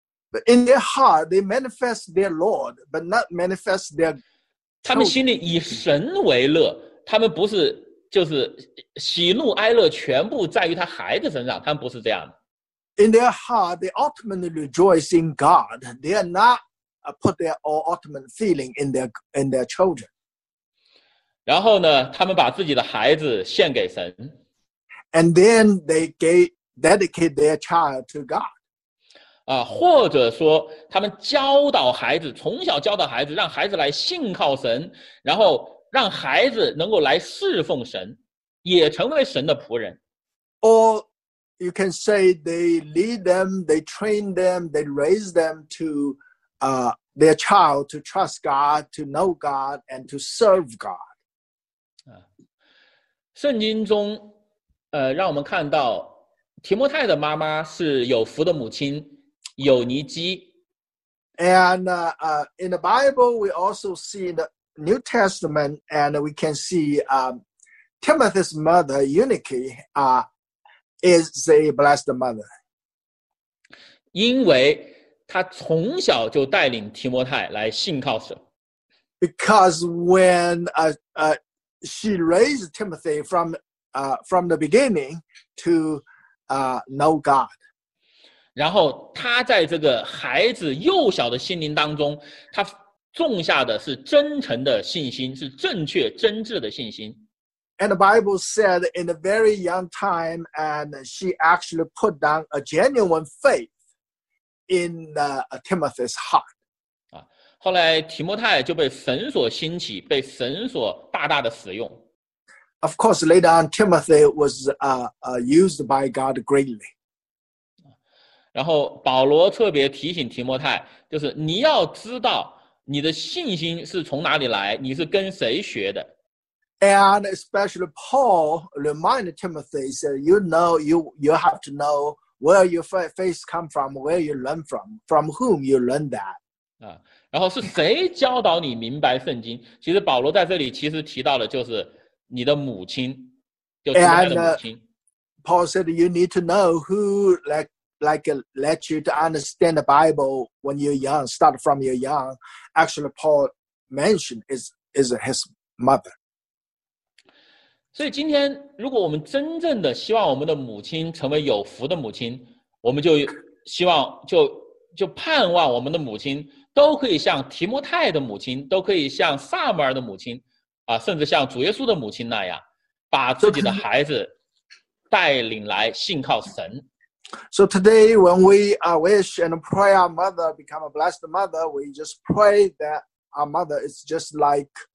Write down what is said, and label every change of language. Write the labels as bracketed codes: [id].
[en] But in their heart, they manifest their Lord, but not manifest their God. [zh] 他们心里以神为乐，他们不是就是喜怒哀乐全部在于他孩子身上，他们不是这样的。 [en] In their heart, they ultimately rejoice in God. They are not put their all ultimate feeling in their children. [zh] 然后呢，他们把自己的孩子献给神。 [en] And then they dedicate their child to God. [zh] 或者说他们教导孩子，从小教导孩子，让孩子来信靠神，然后让孩子能够来侍奉神，也成为神的仆人。 [en] Or you can say they lead them, they train them, they raise them to their child to trust God, to know God, and to serve God. [zh] 圣经中让我们看到提摩太的妈妈是有福的母亲有尼基。 [en] And in the Bible, we also see the New Testament, and we can see Timothy's mother, Eunice, is a blessed mother. [zh] 因为她从小就带领提摩太来信靠神。 [en] Because when she raised Timothy from the beginning to know God. [zh] 然后他在这个孩子幼小的心灵当中，他种下的是真诚的信心，是正确真挚的信心。 [en] And the Bible said in a very young time, and she actually put down a genuine faith in Timothy's heart. [zh] 后来提摩太就被神所兴起，被神所大大的使用。 [en] Of course, later on, Timothy was used by God greatly. [zh] 然后保罗特别提醒提摩太，就是你要知道你的信心是从哪里来，你是跟谁学的。 [en] And especially Paul reminded Timothy, said, "You know, you have to know where your faith come from, where you learn from whom you learn that." [zh] 然后是谁教导你明白圣经？其实保罗在这里其实提到的就是你的母亲，就提摩太的母亲。 [en] Paul said, "You need to know who like let you to understand the Bible when you're young, start from you're young." Actually, Paul mentioned is his mother. [zh] 所以今天如果我们真正的希望我们的母亲成为有福的母亲，我们就希望就盼望我们的母亲都可以像提摩太的母亲，都可以像撒母耳的母亲甚至像主耶稣的母亲那样，把自己的孩子带领来信靠神。 [en] So today, when we wish and pray our mother become a blessed mother, we just pray that our mother is just like